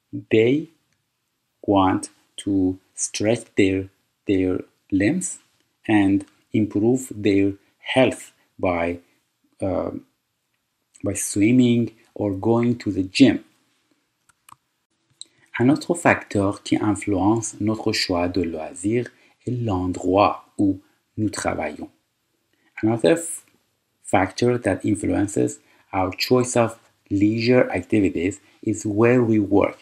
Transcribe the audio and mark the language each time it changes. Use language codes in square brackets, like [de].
[en] They want to stretch their limbs and improve their health by swimming or going to the gym. [fr] Un autre facteur qui influence notre choix de loisir est l'endroit où nous travaillons. [en] Another factor that influences our choice of leisure activities is where we work.